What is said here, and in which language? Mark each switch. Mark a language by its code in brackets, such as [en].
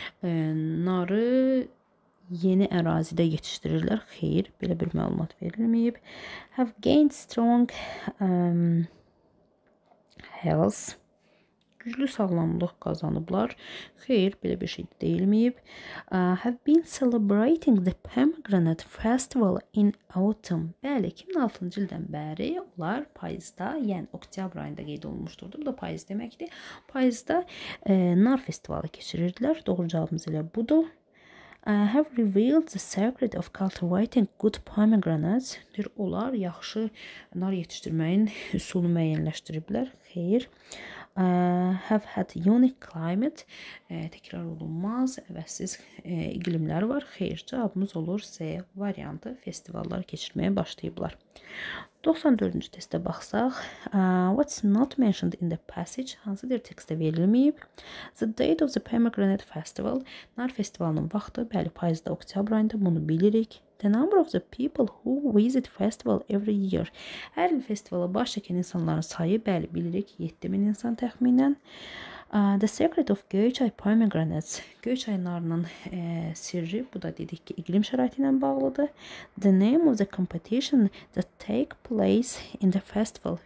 [az] Narı yeni ərazidə yetişdirirlər. Xeyr, belə bir məlumat verilməyib. [en] Have gained strong health. [az] güclü sağlamlıq kazanıblar. Xeyr, belə bir şey deyilməyib. [en] Have been celebrating the pomegranate festival in autumn. [az] Bəli, 2006-cı ildən bəri onlar payızda, yəni oktyabr ayında qeyd olunmuşdur. Bu da payız deməkdir. Payızda nar festivalı keçirirdilər. Doğru cavabımız elə budur. [en] Have revealed the secret of cultivating good pomegranates. [az] Dür, onlar yaxşı nar yetişdirməyin üsulunu müəyyənləşdiriblər. Xeyr. [en] Have had unique climate. [az] Təkrar olunmaz, əvəzsiz iqlimlər var. Xeyr, cavabımız olur C variantı. Festivallar keçirməyə başlayıblar. 94-cü testə baxsaq. [en] What's not mentioned in the passage? [az] Hansıdır tekstdə verilməyib? [en] The date of the pomegranate festival. [az] Nar festivalının vaxtı, bəli, payızda, oktyabr ayında bunu bilirik. [en] The number of the people who visit festival every year. [az] Hər il festivala baş çəkən insanların sayı, bəli, bilirik, 7000 insan təxminən. [en] The secret of Göyçay pomegranates. [az] Göyçay narının sirri, bu da dedik ki, iqlim şəraiti ilə bağlıdır. [en] The name of the competition that take place in the festival.